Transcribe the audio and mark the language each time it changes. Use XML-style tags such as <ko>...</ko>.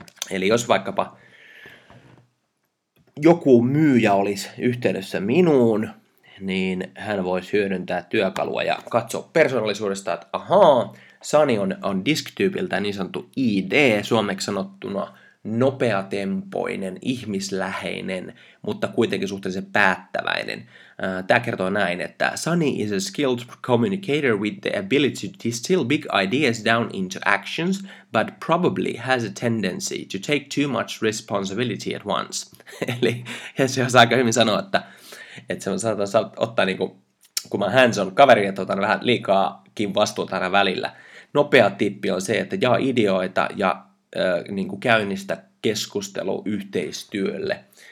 <fi>Eli jos vaikkapa joku myyjä olisi yhteydessä minuun, niin hän voisi hyödyntää työkalua ja katsoa persoonallisuudesta, että ahaa, Sani on disk-tyypiltä niin sanottu ID, suomeksi sanottuna nopeatempoinen, ihmisläheinen, mutta kuitenkin suhteellisen päättäväinen. Tämä kertoo näin, että</fi> <en>Sunny is a skilled communicator with the ability to distill big ideas down into actions, but probably has a tendency to take too much responsibility at once.</en> <fi>Eli se on aika hyvin sanoa, että se on saattaa ottaa, niin kun mä hands on kaveri, että otan vähän liikaakin vastuuta aina välillä. Nopea tippi on se, että jaa ideoita ja niin kuin käynnistä keskustelu yhteistyölle.</fi>